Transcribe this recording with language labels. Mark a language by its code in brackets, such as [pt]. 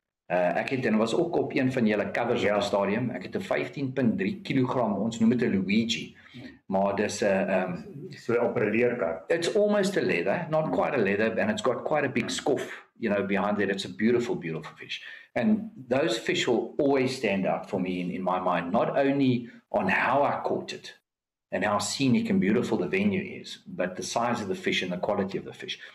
[af] Ek was ook op een van julle covers op die stadium. Ek het 'n 15.3 kg, ons noem dit 'n Luigi. Maar dis 'n so 'n opereleerkar. [en] It's almost a leather, not quite a leather, and it's got quite a big scuff, you know, behind it. It's a beautiful, beautiful fish. And those fish will always stand out for me in my mind, not only on how I caught it and how scenic and beautiful the venue is, but the size of the fish and the quality of the fish.